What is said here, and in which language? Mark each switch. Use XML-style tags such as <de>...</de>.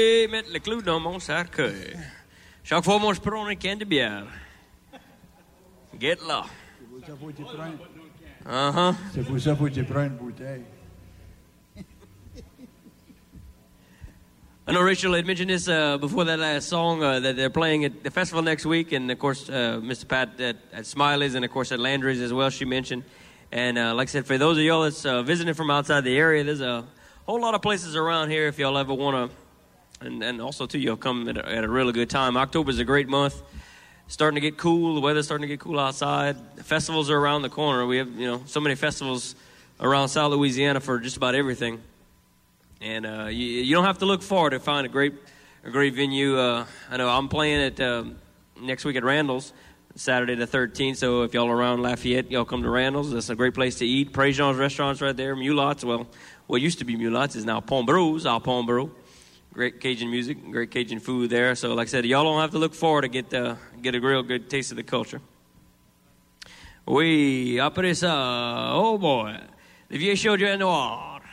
<fr>mettre le clou dans mon cercueil. Chaque fois, moi, je prends une canne de bière. Get là. C'est pour ça que tu prends une bouteille.</fr> <en>I know Rachel had mentioned this before that last song that they're playing at the festival next week, and of course Mr. Pat at Smiley's, and of course at Landry's as well, she mentioned. And like I said, for those of y'all that's visiting from outside the area, there's a whole lot of places around here if y'all ever want to, and also too, y'all come at a really good time. October's a great month, starting to get cool, the weather's starting to get cool outside, festivals are around the corner. We have, you know, so many festivals around South Louisiana for just about everything. And you don't have to look far to find a great venue. I know I'm playing at next week at Randall's, Saturday the 13th. So if y'all are around Lafayette, y'all come to Randall's. That's a great place to eat. Prejean's restaurant's right there. Mulots, well, what used to be Mulots is now Pombrou's, our Pombrou. Great Cajun music, great Cajun food there. So like I said, y'all don't have to look far to get a real good taste of the culture.</en> <fr>Oui, après ça, oh boy, le vieux show de noir.</fr>